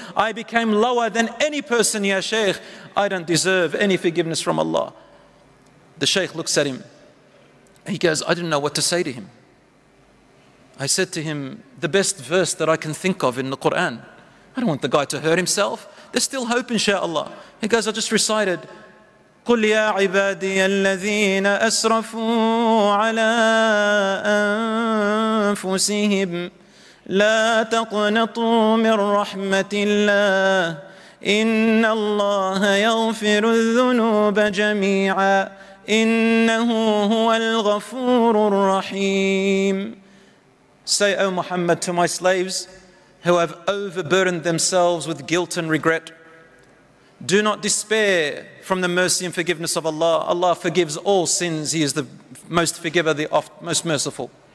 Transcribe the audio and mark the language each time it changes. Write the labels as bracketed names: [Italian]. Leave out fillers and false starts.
[English] I became lower than any person, ya Sheikh. I don't deserve any forgiveness from Allah. The Sheikh looks at him. He goes, I didn't know what to say to him. I said to him, the best verse that I can think of in the Quran. I don't want the guy to hurt himself. There's still hope, inshallah. He goes, I just recited, [Arabic] قُلْ يَا عِبَادِيَ الَّذِينَ أَسْرَفُوا عَلَىٰ أَنفُسِهِمْ لا تقنطوا من رحمة الله إن الله يغفر الذنوب جميعا إنه هو الغفور الرحيم. [English] Say, O Muhammad, to my slaves who have overburdened themselves with guilt and regret, do not despair from the mercy and forgiveness of Allah. Allah forgives all sins. He is the most forgiver, the most merciful.